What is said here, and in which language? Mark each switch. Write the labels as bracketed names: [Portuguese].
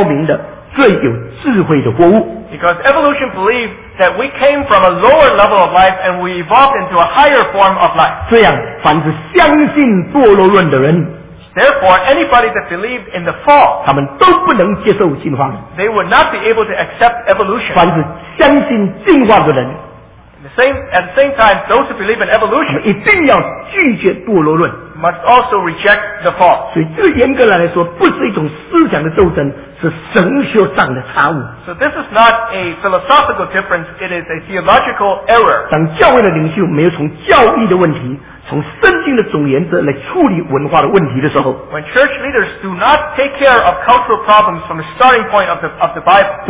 [Chinese] 因为进化论先假设，先相信人是在从动物非常卑微、非常这幼稚的状况中间演进到今天，变成最高明的、最有智慧的活物。 [English] Because evolution believed that we came from a lower level of life and we evolved into a higher form of life. [Chinese] 这样，凡是相信堕落论的人， [English] therefore, anybody that believed in the fall, [Chinese] 他们都不能接受进化。 [English] They would not be able to accept evolution. [Chinese] 凡是相信进化的人， [English] At the same time, those who believe in evolution, [Chinese] 他们一定要拒绝堕落论， [English] must also reject the fall. [Chinese] 所以这严格来说，不是一种思想的斗争。是神学上的差误。 [English] So this is not a philosophical difference, it is a theological error. [Chinese] 当教会的领袖没有从教义的问题，从圣经的总原则来处理文化的问题的时候， [English] When church leaders do not take care of cultural problems from the starting point of the Bible,